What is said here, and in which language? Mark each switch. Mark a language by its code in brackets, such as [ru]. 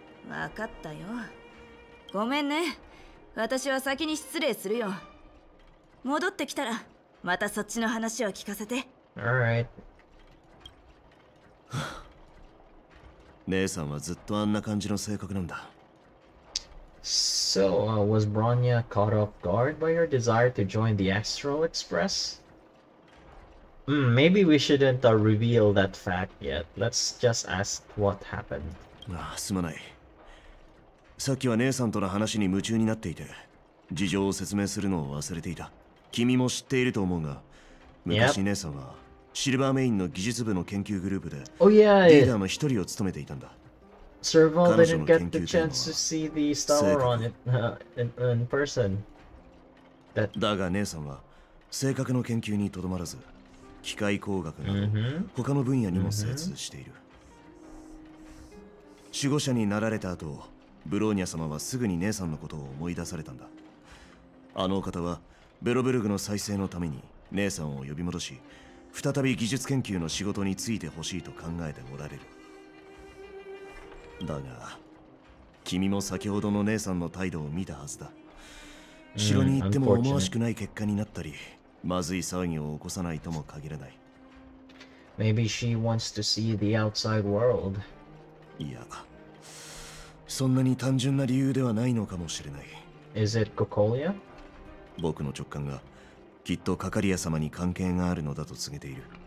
[ja] わかったよ。ごめんね。私は先に失礼するよ。戻ってきたらまたそっちの話を聞かせて。 [en] Alright. [ja] 姉さんはずっとあんな感じの性格なんだ。 [en] So, was Bronya caught off guard by your desire to join the Astral Express? Maybe we shouldn't reveal that fact yet. Let's just ask what happened. [ja] ああ、すまない。さっきは姉さんとの話に夢中になっていて、事情を説明するのを忘れていた。君も知っていると思うが、昔姉さんはシルバーメインの技術部の研究グループで、リーダーの一人を務めていたんだ。 [en] Serval didn't get the chance to see the Stalaron in person. [ja] だが姉さんは性格の研究にとどまらず、機械工学など他の分野にも精通している。守護者になられた後、ブローニャ様はすぐに姉さんのことを思い出されたんだ。あのお方はベロベルグの再生のために姉さんを呼び戻し、再び技術研究の仕事についてほしいと考えておられる。だが、君も先ほどの姉さんの態度を見たはずだ。城に行っても思わしくない結果になったり、まずい騒ぎを起こさないとも限らない。 [en] Maybe she wants to see the outside world. [ja] いや、そんなに単純な理由ではないのかもしれない。 [en] Is it Cocolia? [ja] 僕の直感が、きっとカカリア様に関係があるのだと告げている。